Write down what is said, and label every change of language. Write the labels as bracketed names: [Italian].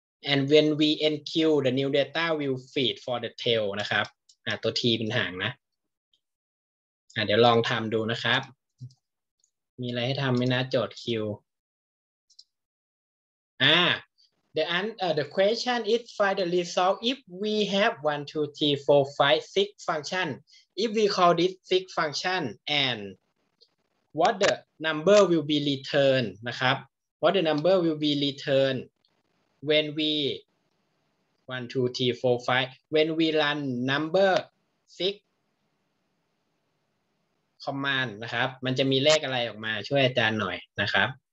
[English] and when we enqueue the new data will feed for the tail [Thai] นะครับตัว t เป็นหางนะ เดี๋ยวลองทำดูนะครับมีอะไรให้ทำไหมนะโจทย์ queue [English] The question is find the result if we have 1, 2, 3, 4, 5, 6 function. If we call this 6 function and what the number will be returned, นะครับ what the number will be returned when we 1, 2, 3, 4, 5, when we run number 6 command, [Thai] นะครับมันจะมีเลขอะไรออกมาช่วยอาจารย์หน่อยนะครับ